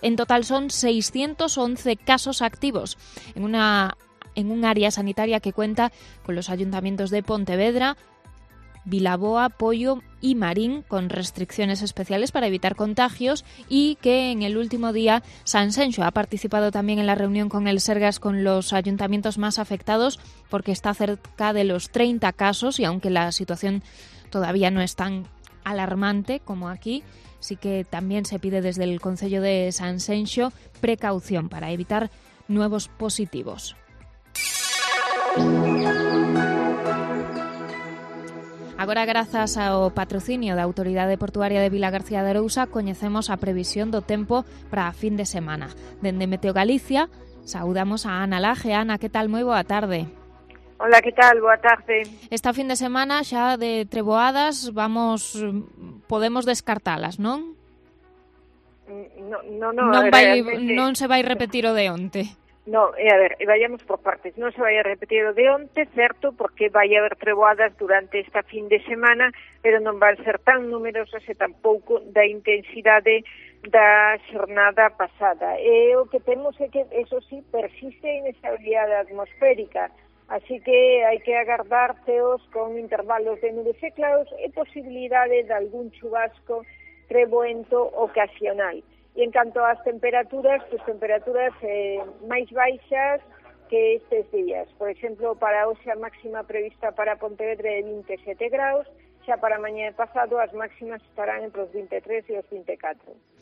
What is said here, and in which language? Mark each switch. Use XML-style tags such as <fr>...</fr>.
<es>En total son 611 casos activos en un área sanitaria que cuenta con los ayuntamientos de Pontevedra, Vilaboa, Poyo y Marín, con restricciones especiales para evitar contagios, y que en el último día Sanxenxo ha participado también en la reunión con el Sergas con los ayuntamientos más afectados, porque está cerca de los 30 casos y aunque la situación todavía no es tan alarmante como aquí, sí que también se pide desde el concello de Sanxenxo precaución para evitar nuevos positivos.</es> <gl>Agora, grazas ao patrocinio da Autoridade Portuaria de Vila García de Arousa, coñecemos a previsión do tempo para a fin de semana. Dende Meteo Galicia, saudamos a Ana Laje. Ana, que tal? Moi boa tarde. Hola, que tal? Boa tarde. Esta fin de semana, xa de treboadas, podemos descartalas, non? Non se vai repetir o de onte.</gl> <es>Vayamos por partes. No se vaya a repetir lo de antes, cierto, porque vaya a haber treboadas durante esta fin de semana, pero no van a ser tan numerosas y tampoco da intensidad da jornada pasada. Lo que tenemos es que, eso sí, persiste inestabilidad atmosférica, así que hay que agarrar ceos con intervalos de nubes y claros y posibilidades de algún chubasco treboento ocasional.</es> <gl>E en canto ás temperaturas, pues temperaturas máis baixas que estes días. Por exemplo, para hoxe a máxima prevista para Pontevedra é 27 graus, xa para mañá pasado as máximas estarán entre os 23 e os 24.</gl>